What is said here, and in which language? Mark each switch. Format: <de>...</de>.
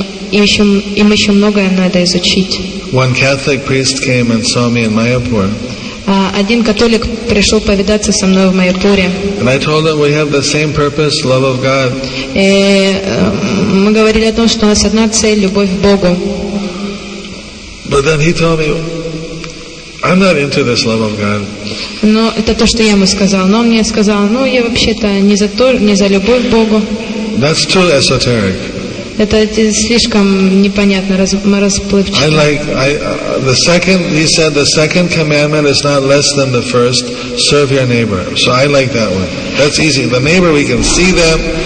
<ru>Им еще многое надо изучить.</ru> <en>One Catholic priest came and saw me in Mayapur.</en> <ru>Один католик пришел повидаться со мной в Майяпуре.</ru> <en>And I told him we have the same purpose, love of God.</en> <ru>Мы говорили о том, что у нас одна цель, любовь к Богу.</ru> <en>But then he told me, I'm not into this love of God.</en> <ru>Но это то, что я ему сказал. Но он мне сказал, ну я вообще-то не за любовь к Богу.</ru> <en>That's too esoteric.</en> <ru>Это слишком непонятно, расплывчато.</ru> <en>The second, he said, the second commandment is not less than the first. Serve your neighbor. So I like that one. That's easy. The neighbor, we can see them.</en>